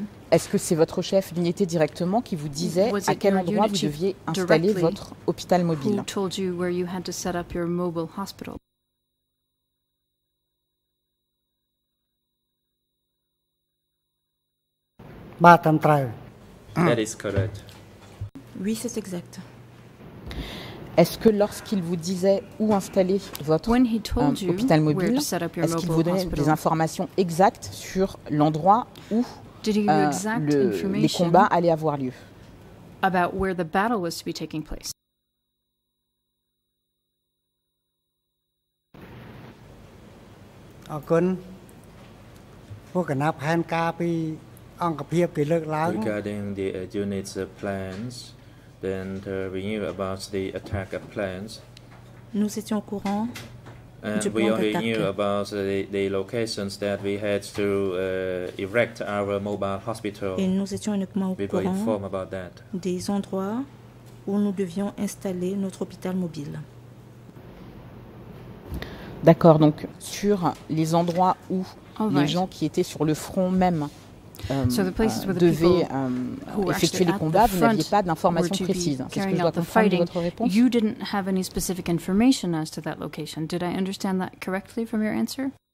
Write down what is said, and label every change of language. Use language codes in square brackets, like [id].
[fr] Est-ce que c'est votre chef d'unité directement qui vous disait à quel endroit vous deviez installer votre hôpital mobile? [en] Who told you where you had to set up your mobile hospital? That is correct. [fr] Oui, c'est exact. Est-ce que lorsqu'il vous disait où installer votre hôpital mobile, est-ce qu'il vous donnait des informations exactes sur l'endroit où les combats allaient avoir lieu? [en] About where the battle was to be taking place. Regarding the unit's plans, then we knew about the attack plans. [fr] Nous étions au courant. [en] And we only knew about the locations that we had to erect our mobile hospital. [fr] Et nous étions uniquement au courant des endroits où nous devions installer notre hôpital mobile. D'accord. Donc sur les endroits où les gens qui étaient sur le front même devaient effectuer les combats, vous n'aviez pas d'informations précises. [en] You didn't have any specific information as to that location. Did I understand that correctly from your answer?